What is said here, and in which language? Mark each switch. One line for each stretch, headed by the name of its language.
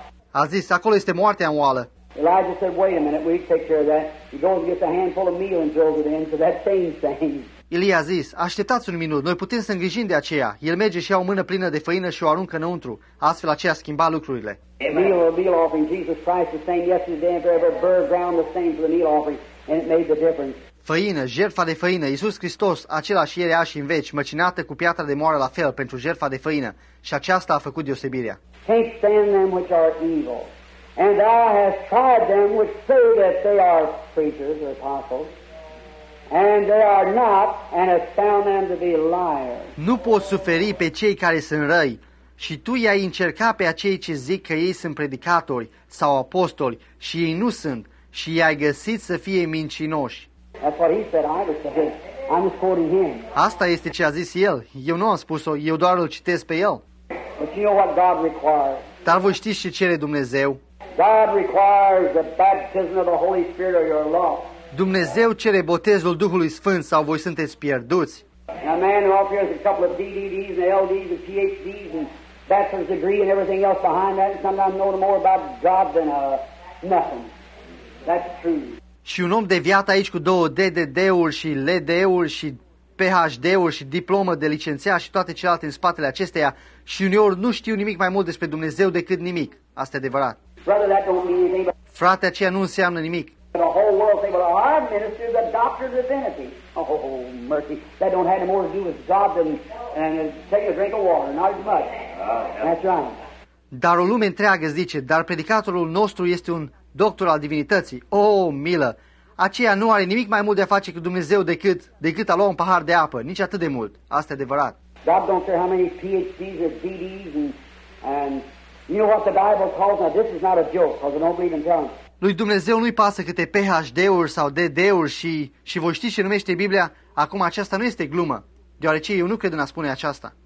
Romanian: A zis, acolo este moartea în oală.
English: Elijah said, "Wait a minute. We take care of that. You go and get a handful of meal and throw it in." So that same thing.
Romanian: Ilie a zis, "Așteptați un minut. Noi putem să îngrijim de aceea." El merge și ia o mână plină de făină și o aruncă înăuntru. Astfel aceea schimba lucrurile.
English: Meal or meal offering, Jesus Christ the same yesterday and forever. Burned ground the same for the meal offering, and it made the difference.
Romanian: Făină, jertfa de făină, Iisus Hristos, același ieri, azi și în veci, măcinată cu piatra de moară la fel pentru jertfa de făină, și aceasta a făcut deosebirea.
English: Can't stand them which are evil. And thou hast tried them which say that they are preachers or apostles, and they are not, and hast found them to be liars.
Romanian: Nu poți suferi pe cei care sunt răi, și tu i-ai încercat pe acei ce zic că ei sunt predicatori sau apostoli, și ei nu sunt, și i-ai găsit să fie mincinoși.
English: That's what he said, I was saying. I'm just quoting him.
Romanian: Asta este ce a zis el. Eu nu am spus-o, eu doar îl citesc pe el.
English: But you know what God requires.
Romanian: Dar voi știți ce cere Dumnezeu?
English: God requires the baptism of the Holy Spirit or you're lost.
Romanian: Dumnezeu cere botezul Duhului Sfânt sau voi sunteți pierduți.
English: A man who offers a couple of DDDs and LDs and PhDs and bachelor's degree and everything else behind that, sometimes know more about God than nothing. That's true.
Romanian: Și un om deviat aici cu două DDD-uri și LD-uri și PhD-uri și diplomă de licențiat și toate celelalte în spatele acesteia și uneori nu știu nimic mai mult despre Dumnezeu decât nimic. Asta e adevărat.
English: Brother, that don't mean anything, but
Romanian: frate, aceea nu înseamnă nimic.
English: The whole world say, well, our minister is a doctor of divinity. Oh, mercy. That don't have any more to do with God than taking a drink of water. Not as much. That's right.
Romanian: Dar o lume întreagă zice, dar predicatorul nostru este un doctor al divinității. Oh, milă! Aceea nu are nimic mai mult de a face cu Dumnezeu decât a lua un pahar de apă. Nici atât de mult. Asta e adevărat.
English: God don't care how many PhDs or DDs and you know what the Bible calls, now this is not a joke, because I don't believe in telling.
Romanian: Lui Dumnezeu nu-i pasă câte PhD-uri sau DD-uri și voi știți ce numește Biblia? Acum aceasta nu este glumă, deoarece eu nu cred în a spune aceasta.